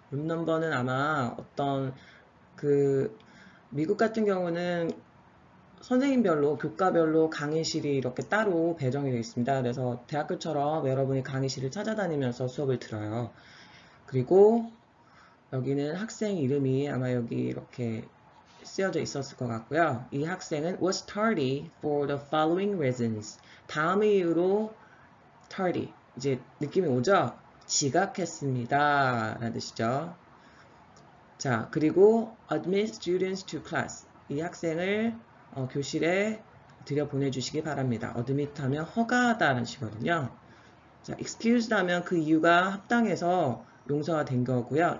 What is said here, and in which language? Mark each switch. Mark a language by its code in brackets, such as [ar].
[ko] 룸 넘버는 아마 어떤 그 미국 같은 경우는 선생님별로 교과별로 강의실이 이렇게 따로 배정이 되어 있습니다. 그래서 대학교처럼 여러분이 강의실을 찾아다니면서 수업을 들어요. 그리고 여기는 학생 이름이 아마 여기 이렇게 쓰여져 있었을 것 같고요. 이 학생은 [en] was tardy for the following reasons. [ko] 다음 이유로 tardy. 이제 느낌이 오죠? 지각했습니다. 라는 뜻이죠. 자, 그리고 [en] admit students to class. [ko] 이 학생을 교실에 들여 보내주시기 바랍니다. admit 하면 허가하다는 뜻이거든요. 자, excused 하면 그 이유가 합당해서 용서가 된 거고요.